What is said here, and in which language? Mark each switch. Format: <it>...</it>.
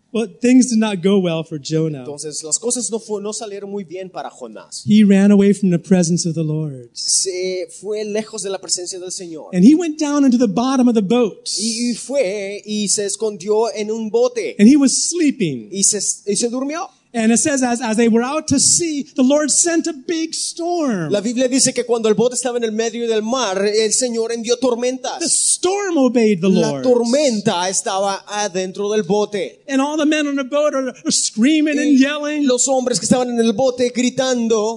<en>Well, things did not go well for Jonah.</en> <es>Entonces, las cosas no salieron muy bien para Jonás.</es> <en>He ran away from the presence of the Lord.</en> <es>Se fue lejos de la presencia del Señor.</es> <en>And he went down into the bottom of the boat.</en> <es>Y fue y se escondió en un bote.</es> <en>And he was sleeping.</en> <es>Y se durmió.</es> <en>And it says, as they were out to sea, the Lord sent a big storm.</en> <es>La Biblia dice que cuando el bote estaba en el medio del mar, el Señor envió tormentas.</es> <en>The storm obeyed the Lord.</en> <es>La tormenta estaba adentro del bote.</es> <en>And all the men on the boat are screaming and yelling.</en> <es>Los hombres que estaban en el bote gritando.</es>